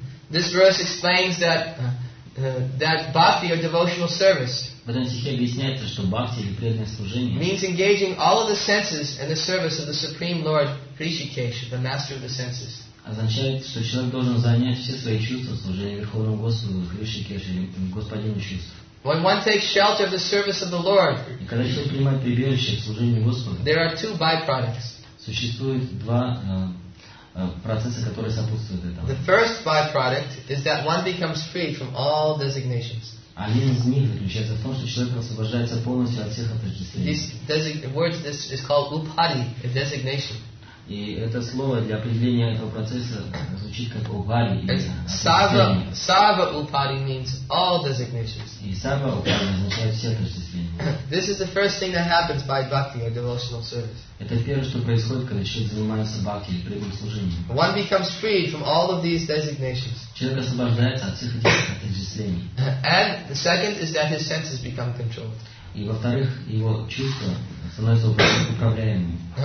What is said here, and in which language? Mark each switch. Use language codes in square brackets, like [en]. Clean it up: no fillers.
[en] This verse explains that bhakti or devotional service means engaging all of the senses in the service of the Supreme Lord Rishikesha, the master of the senses. [ru] Означает, что человек должен занять все свои чувства в служении Верховному Господу Ришикеше, Господину чувств. [en] When one takes shelter of the service of the Lord, there are two byproducts. [ru] Существует два процесса, которые сопутствуют этому. [en] The first byproduct is that one becomes free from all designations. [ru] Один из них заключается в том, что человек освобождается полностью от всех отождествлений. И это слово для определения этого процесса звучит как упади. [en] Сарва упади means all designations. [ru] И сарва упади означает все отождествления. [en] This is the first thing that happens by bhakti or devotional service. [ru] Это первое, что происходит, когда человек занимается бхакти или прямым служением. [en] One becomes freed from all of these designations. [ru] Человек освобождается от всех этих отождествлений. [en] And the second is that his senses become controlled. [ru] И во-вторых, его чувства становятся управляемыми.